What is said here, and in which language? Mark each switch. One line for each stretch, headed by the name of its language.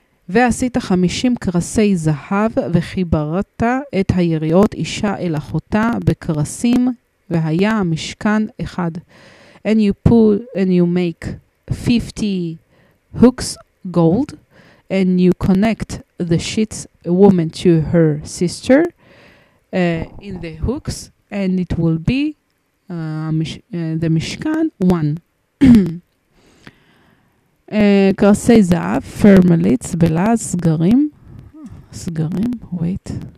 Hebrew: ועשית 50 קרסי זהב וחיברת את היריות אישה אל אחותה בקרסים והיה המשכן אחד.
English: And you pull and you make 50 hooks gold, and you connect the sheets, a woman to her sister, in the hooks, and it will be the Mishkan 1.
Hebrew: קרסי זהב, פרמליץ, בלה, סגרים, wait.